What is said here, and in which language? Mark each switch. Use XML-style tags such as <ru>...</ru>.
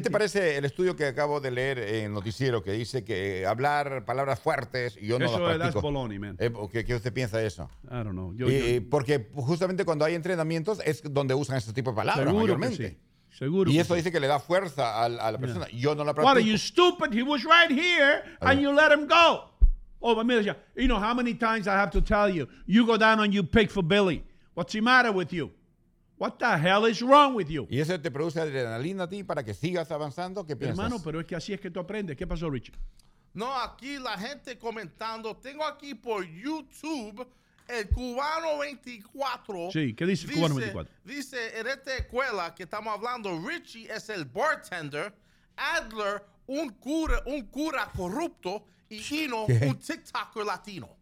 <es>¿Qué te parece el estudio que acabo de leer en Noticiero que dice que hablar palabras fuertes y yo no las practico? Eso es baloney, man. ¿Qué usted piensa de eso?</es> <en>I don't know.</en> <es>Porque justamente cuando hay entrenamientos es donde usan ese tipo de palabras. Seguro mayormente. Que sí. Seguro. Y eso dice que le da fuerza a la persona. Yeah. Yo no la practico.</es> <en>What are you stupid? He was right here and you let him go. Oh, but</en> <es>me decía,</es> <en>you know how many times I have to tell you, you go down and you pick for Billy. What's the matter with you? What the hell is wrong with you?</en> <es>Y eso te produce adrenalina a ti para que sigas avanzando. ¿Qué piensas? Hermano, pero es que así es que tú aprendes. ¿Qué pasó, Richie? No, aquí la gente comentando. Tengo aquí por YouTube el Cubano 24. Sí, ¿qué dice el Cubano 24? Dice, en esta escuela que estamos hablando, Richie es el bartender, Adler, un cura corrupto, y Ino, un TikToker latino.</es>